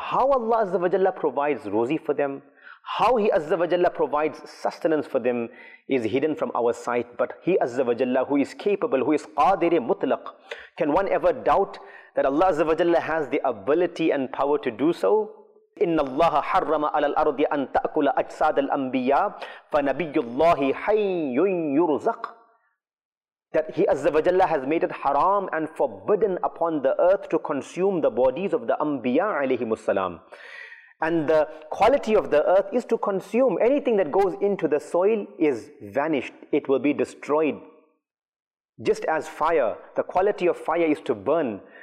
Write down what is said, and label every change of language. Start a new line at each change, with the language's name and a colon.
English: How Allah Azza wa Jalla provides rozi for them, how He Azza wa Jalla provides sustenance for them is hidden from our sight. But He Azza wa Jalla, who is capable, who is qadir-e mutlaq, can one ever doubt that Allah Azza wa Jalla has the ability and power to do so?
Arabic: إن الله حرم على الأرض أن تأكل أجساد الأنبياء فنبي الله حي يرزق.
English: That He Azza wa Jalla has made it haram and forbidden upon the earth to consume the bodies of the Anbiya alayhi musallam. And the quality of the earth is to consume. Anything that goes into the soil is vanished. It will be destroyed. Just as fire, the quality of fire is to burn.